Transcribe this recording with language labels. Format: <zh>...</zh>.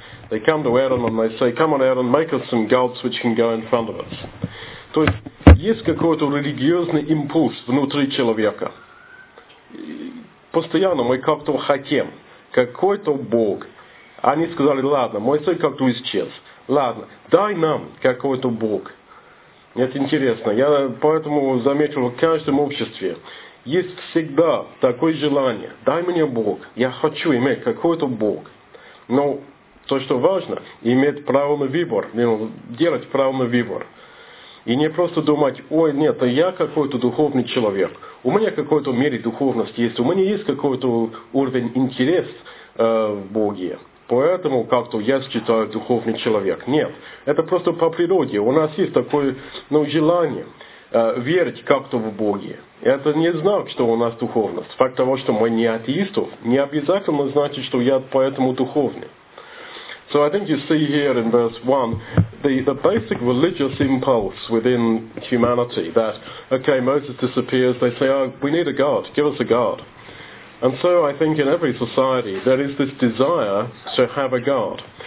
<en>They come to Aaron and they say, «Come on, Aaron, make us some gods which can go in front of us».</en> <ru>То есть, есть какой-то религиозный импульс внутри человека. Постоянно мы как-то хотим, какой-то Бог. Они сказали, «Ладно, Моисей как-то исчез». Ладно, дай нам какой-то Бог. Это интересно. Я поэтому заметил, в каждом обществе есть всегда такое желание. Дай мне Бог. Я хочу иметь какой-то Бог. Но то, что важно, иметь право на выбор. Делать право на выбор. И не просто думать, ой, нет, я какой-то духовный человек. У меня какой-то мере духовности есть. У меня есть какой-то уровень интереса в Боге. Поэтому как-то я считаю духовный человек. Нет, это просто по природе. У нас есть такое желание верить как-то в Бога. Это не знак, что у нас духовность. Факт того, что мы не атеистов, не обязательно значит, что я поэтому духовный.</ru> <en>So I think you see here in verse 1 the basic religious impulse within humanity that, okay, Moses disappears, they say, oh, we need a God, give us a God. And so I think in every society there is this desire to have a God.</en>